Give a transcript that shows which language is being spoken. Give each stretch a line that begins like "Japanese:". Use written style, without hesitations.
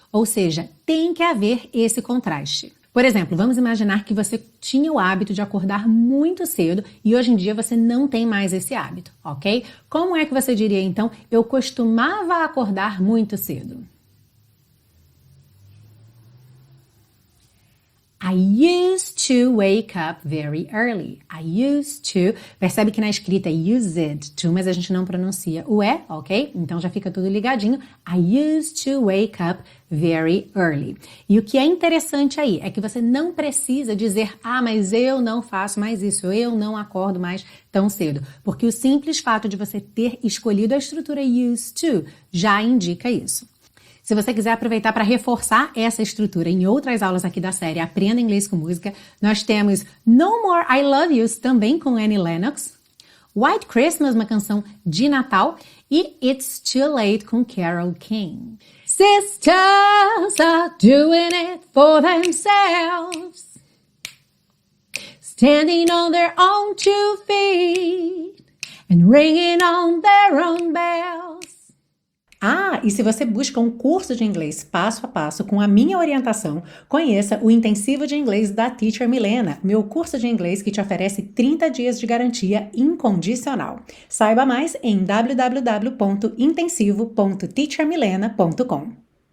Portuguese: Ou seja, tem que haver esse contraste. Por exemplo, vamos imaginar que você tinha o hábito de acordar muito cedo e hoje em dia você não tem mais esse hábito, ok? Como é que você diria então, eu costumava acordar muito cedo?
English: I used to wake up very early. I used to.
Portuguese: Percebe que na escrita é used to, mas a gente não pronuncia o E, ok? Então já fica tudo ligadinho.
English: I used to wake up very early.
Portuguese: E o que é interessante aí é que você não precisa dizer, ah, mas eu não faço mais isso, eu não acordo mais tão cedo. Porque o simples fato de você ter escolhido a estrutura used to já indica isso. Se você quiser aproveitar para reforçar essa estrutura em outras aulas aqui da série Aprenda Inglês com Música, nós temos No More I Love Yous, também com Annie Lennox, White Christmas, uma canção de Natal, e It's Too Late, com Carole King.
English: Sisters are doing it for themselves, standing on their own two feet, and ringing on their own bells.
Portuguese: Ah, e se você busca um curso de inglês passo a passo com a minha orientação, conheça o Intensivo de Inglês da Teacher Milena, meu curso de inglês que te oferece 30 dias de garantia incondicional. Saiba mais em www.intensivo.teachermilena.com.